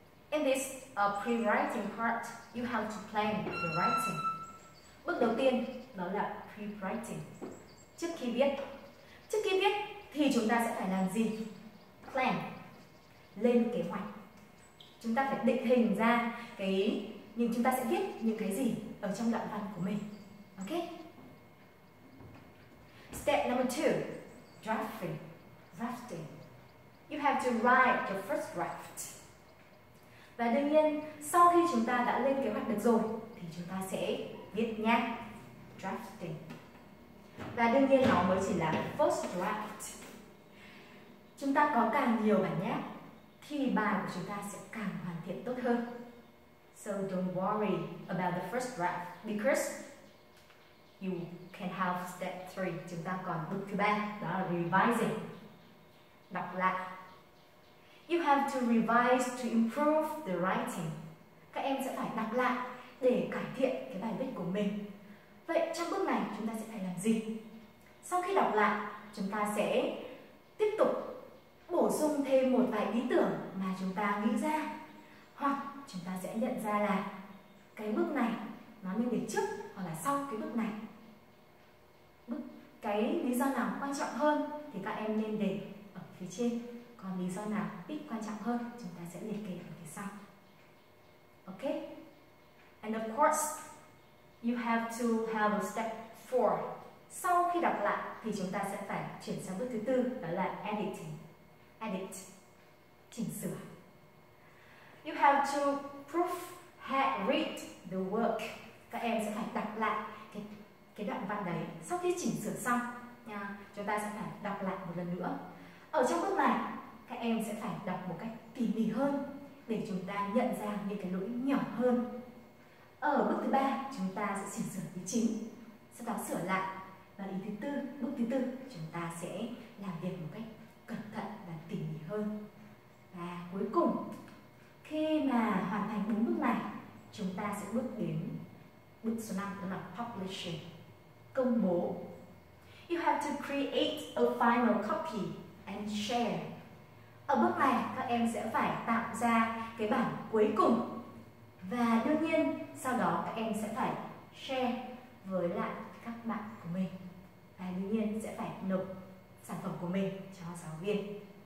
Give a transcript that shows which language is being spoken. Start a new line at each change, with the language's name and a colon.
English: In this pre-writing part, you have to plan your writing.
Vietnamese: Bước đầu tiên đó là pre-writing. Trước khi viết. Trước khi viết thì chúng ta sẽ phải làm gì?
English: Plan.
Vietnamese: Lên kế hoạch. Chúng ta phải định hình ra cái nhưng chúng ta sẽ viết những cái gì ở trong đoạn văn của mình.
English: Ok? Step number 2. Drafting. Drafting. You have to write your first draft.
Vietnamese: Và đương nhiên, sau khi chúng ta đã lên kế hoạch được rồi, thì chúng ta sẽ viết nhé.
English: Drafting.
Vietnamese: Và đương nhiên, nó mới chỉ là first draft. Chúng ta có càng nhiều bản nháp, thì bài của chúng ta sẽ càng hoàn thiện tốt hơn.
English: So don't worry about the first draft, because you can have step 3.
Vietnamese: Chúng ta còn bước thứ 3, đó là revising. Đọc lại.
English: You have to revise to improve the writing.
Vietnamese: Các em sẽ phải đọc lại để cải thiện cái bài viết của mình. Vậy trong bước này chúng ta sẽ phải làm gì? Sau khi đọc lại, chúng ta sẽ tiếp tục bổ sung thêm một vài ý tưởng mà chúng ta nghĩ ra. Hoặc chúng ta sẽ nhận ra là cái bước này nó nên để trước hoặc là sau cái bước này. Cái lý do nào quan trọng hơn thì các em nên để ở phía trên. Còn lý do nào ít quan trọng hơn chúng ta sẽ liệt kê ở phía sau.
English: Ok? And of course, you have to have a step 4.
Vietnamese: Sau khi đọc lại thì chúng ta sẽ phải chuyển sang bước thứ tư, đó là editing.
English: Edit.
Vietnamese: Chỉnh sửa.
English: You have to proofread read the work.
Vietnamese: Các em sẽ phải đọc lại cái đoạn văn đấy sau khi chỉnh sửa xong nha. Chúng ta sẽ phải đọc lại một lần nữa. Ở trong bước này, các em sẽ phải đọc một cách tỉ mỉ hơn để chúng ta nhận ra những cái lỗi nhỏ hơn. Ở bước thứ 3, chúng ta sẽ chỉnh sửa ý chính, sau đó sửa lại. Và ý thứ 4, bước thứ 4, chúng ta sẽ làm việc một cách cẩn thận và tỉ mỉ hơn. Và cuối cùng, khi mà hoàn thành 4 bước này, chúng ta sẽ bước đến bước số 5, đó là publishing, công bố.
English: You have to create a final copy and share.
Vietnamese: Ở bước này, các em sẽ phải tạo ra cái bản cuối cùng. Và đương nhiên, sau đó các em sẽ phải share với lại các bạn của mình. Và đương nhiên sẽ phải nộp sản phẩm của mình cho giáo viên.